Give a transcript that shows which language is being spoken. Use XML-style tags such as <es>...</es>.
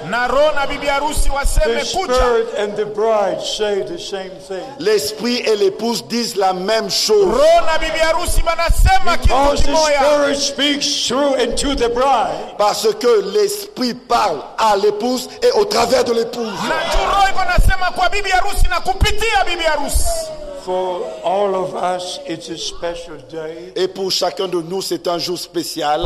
<en>The spirit and the bride say the same thing.</en> <fr>L'esprit et l'épouse disent la même chose.</fr> <en>Because the spirit speaks through and to the bride.</en> <fr>Parce que l'esprit parle à l'épouse et au travers de l'épouse.</fr> <en>For all of us, it's a special day.</en> <fr>Et pour chacun de nous, c'est un jour spécial.</fr>